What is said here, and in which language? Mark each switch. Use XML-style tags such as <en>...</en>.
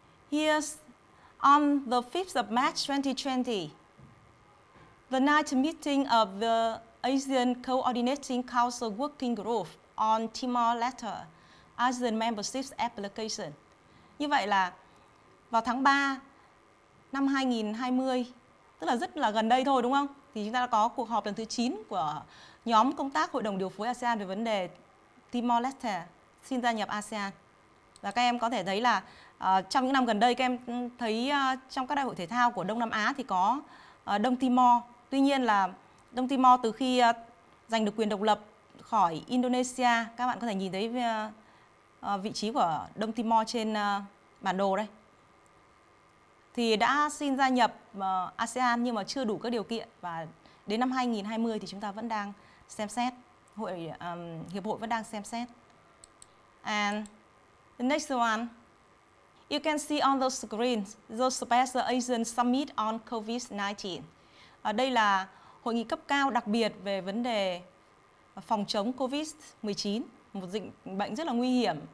<en>Here's on the 5th of March 2020, the ninth meeting of the ASEAN Coordinating Council Working Group on Timor-Leste ASEAN Membership Application.</en> <vi>Như vậy là vào tháng 3 năm 2020, tức là rất là gần đây thôi đúng không? Thì chúng ta đã có cuộc họp lần thứ 9 của nhóm công tác Hội đồng Điều phối ASEAN về vấn đề Timor-Leste xin gia nhập ASEAN. Và các em có thể thấy là trong những năm gần đây các em thấy trong các đại hội thể thao của Đông Nam Á thì có Đông Timor. Tuy nhiên là Đông Timor từ khi giành được quyền độc lập khỏi Indonesia, các bạn có thể nhìn thấy vị trí của Đông Timor trên bản đồ đây, thì đã xin gia nhập ASEAN nhưng mà chưa đủ các điều kiện, và đến năm 2020 thì chúng ta vẫn đang xem xét, hiệp hội vẫn đang xem xét.</vi> <en>And the next one, you can see on the screen the Special Asian Summit on COVID-19.</en> <vi>Đây là hội nghị cấp cao đặc biệt về vấn đề phòng chống COVID-19, một dịch bệnh rất là nguy hiểm.</vi>